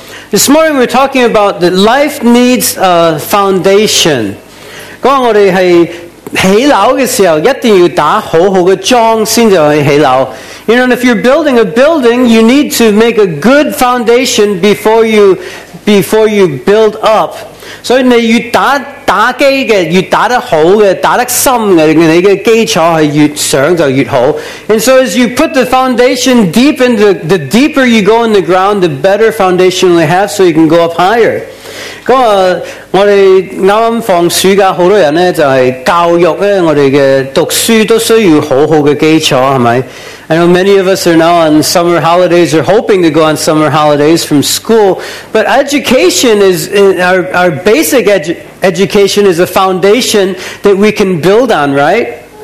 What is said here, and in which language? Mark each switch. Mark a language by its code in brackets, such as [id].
[en] This morning we're talking about that life needs a foundation. [yue] 讲我哋系起楼嘅时候，一定要打好好嘅桩先就去起楼。 [en] You know, if you're building a building, you need to make a good foundation before you build up. [yue] 所以你越打基嘅，越打得好嘅，打得深嘅，你嘅基础系越上就越好。 [en] And so as you put the foundation deep in the deeper you go in the ground, the better foundation you have, so you can go up higher. [yue] 咁啊，我哋啱啱放暑假，好多人咧就系教育咧，我哋嘅读书都需要好好嘅基础，系咪 [en] ？I know many of us are now on summer holidays or hoping to go on summer holidays from school, but education is our basic education is a foundation that we can build on, right?